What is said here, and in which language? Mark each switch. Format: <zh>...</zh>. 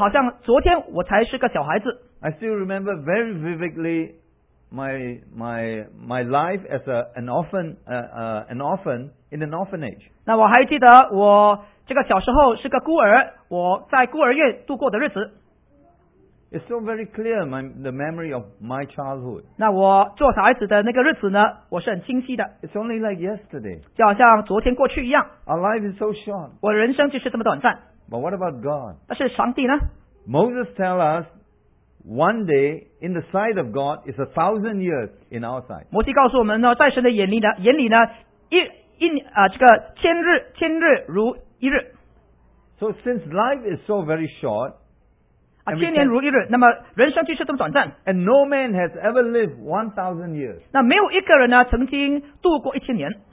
<zh>但是我的感觉是就好像昨天我才是个小孩子。</zh> <en>I still remember very vividly my life as an orphan in an orphanage.</en> <zh>那我还记得我这个小时候是个孤儿, 我在孤儿院度过的日子。</zh> <en>It's so very clear the memory of my childhood.</en> <zh>那我做小孩子的那个日子呢, 我是很清晰的。</zh> <en>It's only like yesterday.</en> <zh>就好像昨天过去一样。</zh> <en>Our life is so short.</en> <zh>我人生就是这么短暂。</zh> <en>But what about God?</en> <zh>但是上帝呢?</zh> <en>Moses tells us, one day in the sight of God is 1,000 years in our sight.</en> <zh>摩西告诉我们呢, 在神的眼里呢, 这个千日如一日。</zh> <en>So since life is so very short,</en> <zh>啊, 千年如一日, 那么人生就是这么短暂,</zh> <en>and no man has ever lived 1,000 years.</en> <zh>那没有一个人呢, 曾经度过1,000年。</zh>